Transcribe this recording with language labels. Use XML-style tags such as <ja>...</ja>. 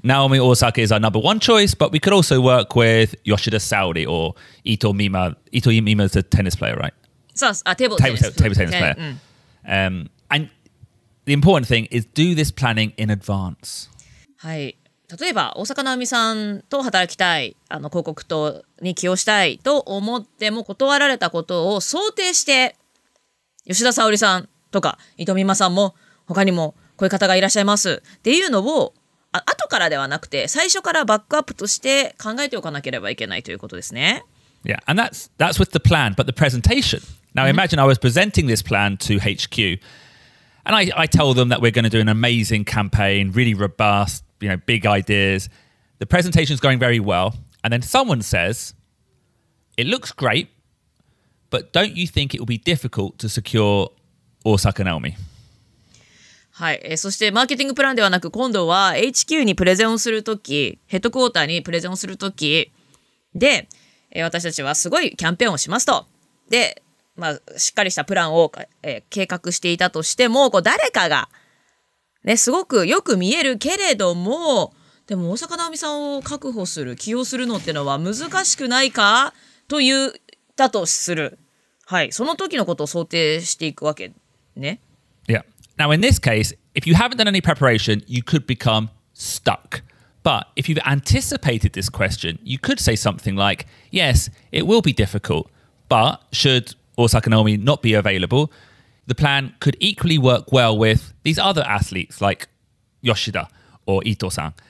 <en>Naomi Osaka is our number one choice, but we could also work with Yoshida Saori or Ito Mima is a tennis player, right? Table tennis player. And the important thing is do this planning in advance.</en> <ja>はい。例えば、大阪直美さんと働きたい、あの広告塔に起用したいと思っても断られたことを想定して、吉田沙保里さんとか伊藤美誠さんも他にもこういう方がいらっしゃいますっていうのを後からではなくて最初からバックアップとして考えておかなければいけないということですね。</ja> <en>Yeah, and that's with the plan, but the presentation. Now imagine I was presenting this plan to HQ, and I tell them that we're going to do an amazing campaign, really robust, you know, big ideas. The presentation is going very well, and then someone says, "It looks great, but don't you think it will be difficult to secure Osaka Naomi?"</en> <ja>はい、そしてマーケティングプランではなく今度は HQ にプレゼンをするとき、ヘッドクォーターにプレゼンをするときで、私たちはすごいキャンペーンをしますと。で、まあ、しっかりしたプランを、計画していたとしても、こう誰かが、ね、すごくよく見えるけれども、でも大阪直美さんを確保する、起用するのってのは難しくないかと言ったとする。はい、その時のことを想定していくわけね。</ja> <en>Now, in this case, if you haven't done any preparation, you could become stuck. But if you've anticipated this question, you could say something like, yes, it will be difficult, but should Osaka Naomi not be available, the plan could equally work well with these other athletes like Yoshida or Ito-san.</en>